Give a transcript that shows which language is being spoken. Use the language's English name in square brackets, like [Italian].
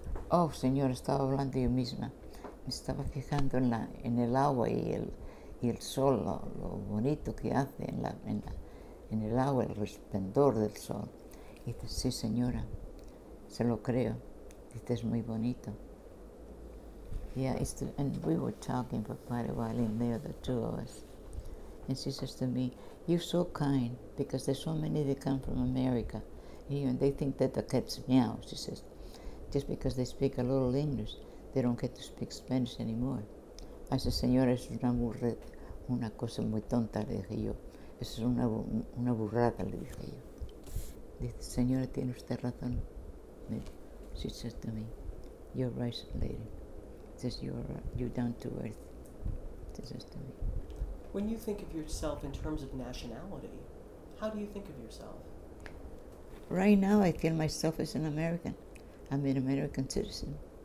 [Spanish] Oh, señora, estaba hablando yo misma. Me estaba fijando en el agua y el sol, lo bonito que hace en el agua, el resplandor del sol. Y dice, sí, señora, se lo creo. Dice, es muy bonito. [English] Yeah, and we were talking for quite a while in there, the two of us. And she says to me, you're so kind, because there's so many that come from America here, and they think that the cats meow, she says. Just because they speak a little English, they don't get to speak Spanish anymore. I said, [Spanish] señora, es una burrada, una cosa muy tonta, le dije yo. Es una burrada, le dije yo. Dice, señora, tiene usted razón. [English] She says to me, you're right, lady. Says you're down to earth, says to me. When you think of yourself in terms of nationality, how do you think of yourself? Right now I feel myself as an American. I'm an American citizen.